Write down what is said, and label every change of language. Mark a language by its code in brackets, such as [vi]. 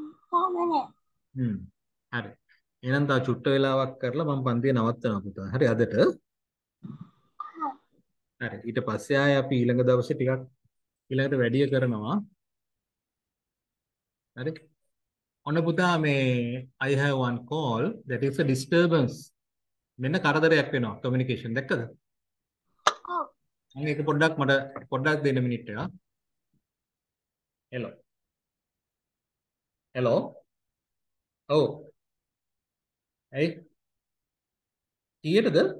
[si] කොහමනේ? හරි එහෙනම් තව චුට්ට වෙලාවක් කරලා මම පන්තිය නවත්තනවා පුතා. හරි අදට ඊට පස්සේ ආයේ අපි ඊළඟ දවසේ ටිකක් ඊළඟට වැඩි කරනවා. හරි. ඔන්න පුතා මේ [en] I have one call that is a disturbance. [si] මෙන්න කරදරයක් වෙනවා communication දැක්කද? මම ඒක පොඩ්ඩක් මට පොඩ්ඩක් දෙන්න මිනිත් එක. [en] Hello. [si] Hello. ඔව්. ඇයි? තියෙදද?